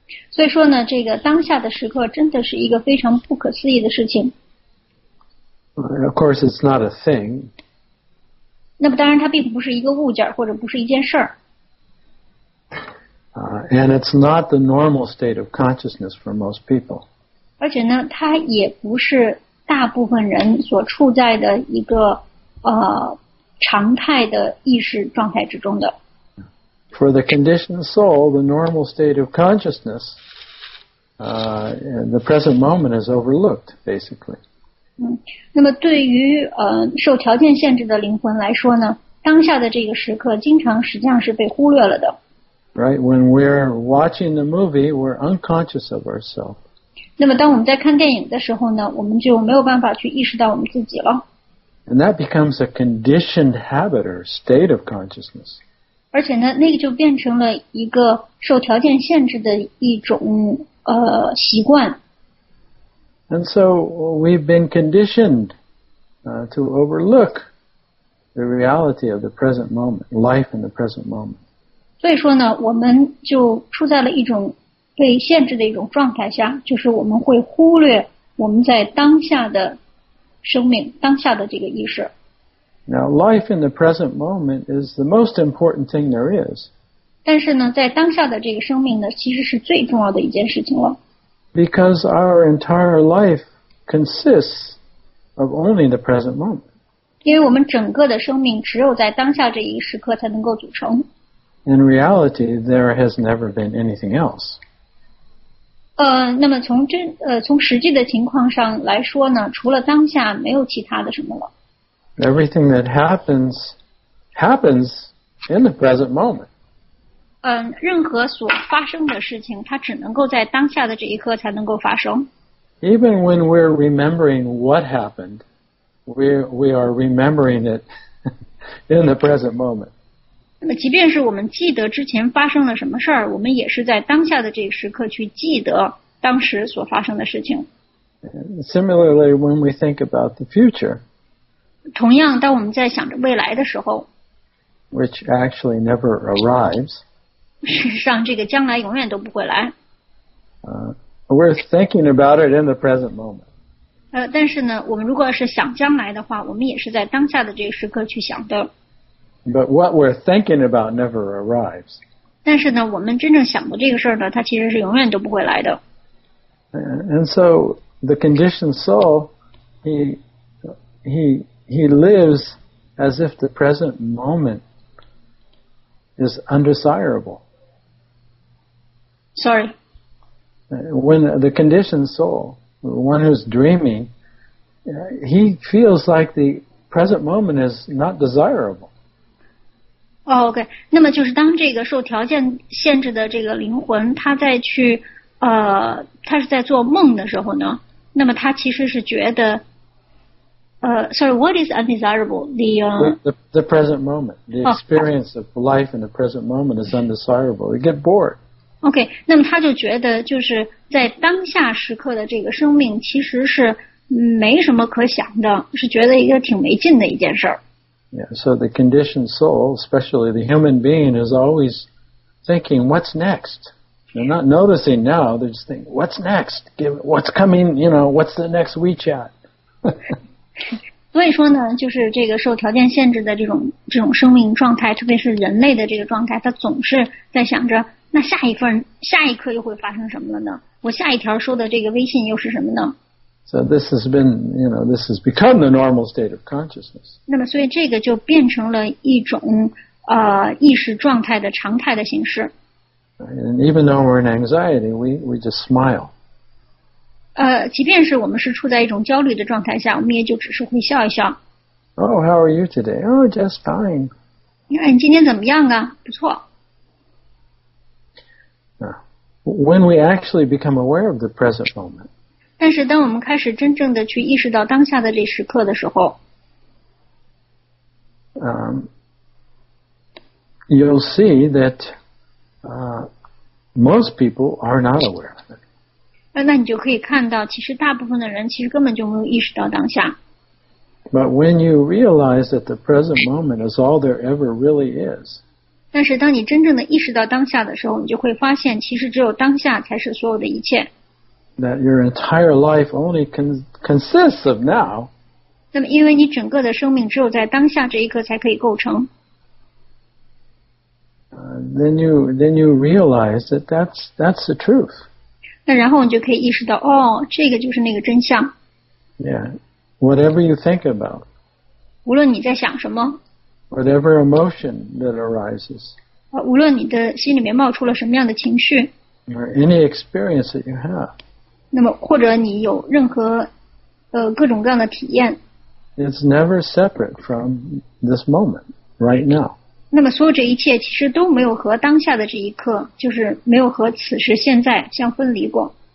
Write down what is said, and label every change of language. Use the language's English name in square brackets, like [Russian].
[Chinese] 所以说呢，这个当下的时刻真的是一个非常不可思议的事情。 [English] Of course, it's not a thing. [Chinese] 那么当然它并不是一个物件或者不是一件事儿。 [English] And it's not the normal state of consciousness for most people. [Chinese] 而且呢，它也不是大部分人所处在的一个常态的意识状态之中的。 [English] For the conditioned soul, the normal state of consciousness, in the present moment is overlooked, basically. [Chinese] 那么对于受条件限制的灵魂来说呢，当下的这个时刻经常实际上是被忽略了的。 [English] Right, when we're watching the movie, we're unconscious of ourselves. [Chinese] 那么当我们在看电影的时候呢，我们就没有办法去意识到我们自己了。 [English] And that becomes a conditioned habit or state of consciousness. [Chinese] 而且呢，那个就变成了一个受条件限制的一种习惯。 [English] And so we've been conditioned to overlook the reality of the present moment, life in the present moment. [Chinese] 所以说呢，我们就处在了一种被限制的一种状态下，就是我们会忽略我们在当下的生命，当下的这个意识。 [English] Now, life in the present moment is the most important thing there is. [Chinese] 但是呢，在当下的这个生命呢，其实是最重要的一件事情了。 [English] Because our entire life consists of only the present moment. [Chinese] 因为我们整个的生命只有在当下这一时刻才能够组成。 [English] In reality, there has never been anything else. [Chinese] 那么从实际的情况上来说呢，除了当下，没有其他的什么了。 [English] Everything that happens, happens in the present moment. [Chinese] 任何所发生的事情，它只能够在当下的这一刻才能够发生。 [English] Even when we're remembering what happened, we are remembering it in the present moment. [Chinese] 那么即便是我们记得之前发生了什么事儿，我们也是在当下的这一时刻去记得当时所发生的事情。 [English] Similarly, when we think about the future, [Chinese] 同样当我们在想着未来的时候 [English] which actually never arrives, [Chinese] 事实上这个将来永远都不会来。 [English] We're thinking about it in the present moment. [Chinese] 但是呢我们如果是想将来的话，我们也是在当下的这个时刻去想的。 [English] But what we're thinking about never arrives. [Chinese] 但是呢我们真正想的这个事儿呢，它其实是永远都不会来的。 [English] And so the conditioned soul, he lives as if the present moment is undesirable. Sorry. When the conditioned soul, the one who's dreaming, he feels like the present moment is not desirable. Oh, okay. [Chinese] 那么就是当这个受条件限制的这个灵魂，他在去他是在做梦的时候呢，那么他其实是觉得 [English] Sorry, what is undesirable? The present moment. The experience of life in the present moment is undesirable. You get bored. [Chinese] Okay, 那么他就觉得就是在当下时刻的这个生命其实是没什么可想的，是觉得一个挺没劲的一件事儿。 [English] Yeah, so the conditioned soul, especially the human being, is always thinking, what's next? They're not noticing now, they're just thinking, what's next? What's coming, you know, what's the next WeChat? [Chinese] 所以说呢，就是这个受条件限制的这种生命状态，特别是人类的这个状态，他总是在想着那下一刻又会发生什么了呢？我下一条收的这个微信又是什么呢？ [English] So this has been, you know, this has become the normal state of consciousness. [Chinese] 那么所以这个就变成了一种意识状态的常态的形式。 [English] And even though we're in anxiety, we just smile. [Chinese] 即便是我们是处在一种焦虑的状态下，我们也就只是会笑一笑。 [English] Oh, how are you today? Oh, just fine. [Chinese] 你看你今天怎么样啊？不错。 [English] When we actually become aware of the present moment, [Chinese] 但是当我们开始真正的去意识到当下的这时刻的时候， [English] you'll see that most people are not aware of it. [Chinese] 那你就可以看到，其实大部分的人其实根本就没有意识到当下。 [English] But when you realize that the present moment is all there ever really is. [Chinese] 但是当你真正的意识到当下的时候，你就会发现其实只有当下才是所有的一切。 [English] That your entire life only consists of now. [Chinese] 那么因为你整个的生命只有在当下这一刻才可以构成。 [English] Then you realize that that's the truth. [Chinese] 那然后你就可以意识到，哦，这个就是那个真相。 [English] Yeah, whatever you think about. [Chinese] 无论你在想什么。 [English] Whatever emotion that arises, [Chinese] 无论你的心里面冒出了什么样的情绪 [English] or any experience that you have, [Chinese] 那么或者你有任何各种各样的体验 [English] it's never separate from this moment, right now. [Chinese] 那么所有这一切其实都没有和当下的这一刻，就是没有和此时现在相分离过。